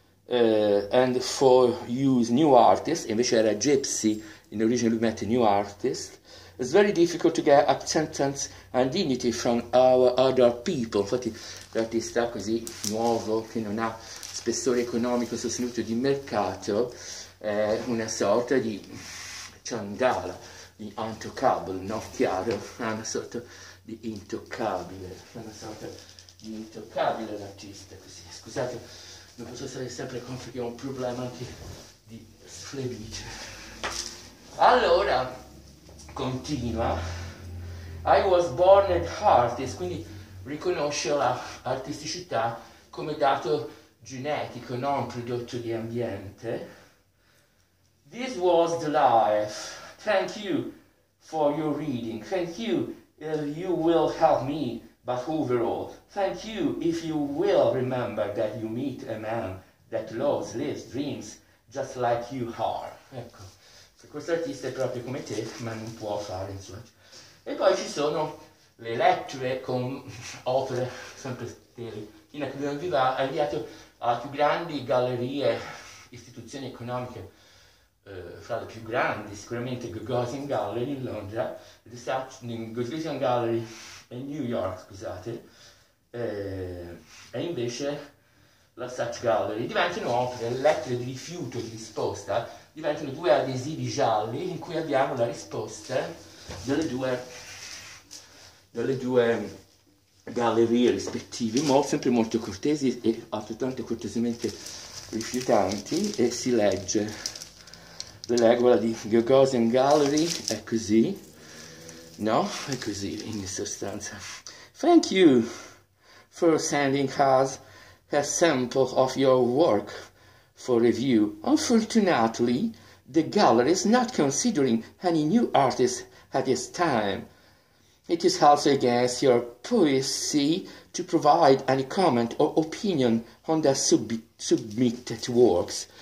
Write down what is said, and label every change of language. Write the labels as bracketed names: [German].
[English] and for use new artists, [Italian] invece era Gypsy, in origine lui mette [English] new artists, it's very difficult to get acceptance and dignity from our other people. [Italian] Infatti l'artista così nuovo, che non ha spessore economico sostenuto di mercato, è una sorta di Chandala, di untouchable, no? Chiaro, è una sorta di intoccabile, è una sorta di intoccabile l'artista, così. Scusate, non posso stare sempre con, perché ho un problema anche di sflebice. Allora, continua. [English] I was born an artist, [Italian] quindi riconosce l'artisticità come dato genetico, non prodotto di ambiente. [English] This was the life. Thank you for your reading. Thank you if you will help me. But overall, thank you if you will remember that you meet a man that loves, lives, dreams just like you are. [Italian] Ecco. Questo artista è proprio come te, ma non può fare, insomma. E poi ci sono le lettere con opere, sempre stili. Chi ne ha inviato a più grandi gallerie, istituzioni economiche, fra le più grandi, sicuramente Gagosian Gallery in Londra, Gagosian Gallery in New York, scusate, e invece la Saatchi Gallery. Diventano opere, lettere di rifiuto, di risposta. Diventano due adesivi gialli in cui abbiamo la risposta delle due gallerie rispettive, ma sempre molto cortesi e altrettanto cortesemente rifiutanti, e si legge. Leggo la di Gagosian Gallery, è così, no? È così in sostanza. [English] Thank you for sending us a sample of your work for review. Unfortunately, the gallery is not considering any new artists at this time. It is also against your policy to provide any comment or opinion on the submitted works.